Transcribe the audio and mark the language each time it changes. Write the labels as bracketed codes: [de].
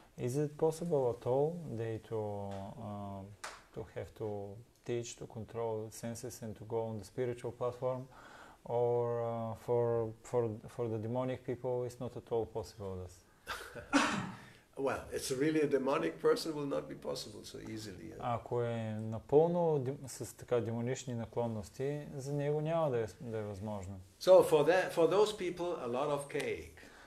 [en] Is it possible at all they to have to teach, to control senses and to go on the spiritual platform? Or for the demonic people, it's not at all possible this? Well, it's really a demonic person will not be possible so easily. [bg] Ако е напълно с така демонични наклонности, за него няма да е възможно. [en] So for those people, a lot of cake.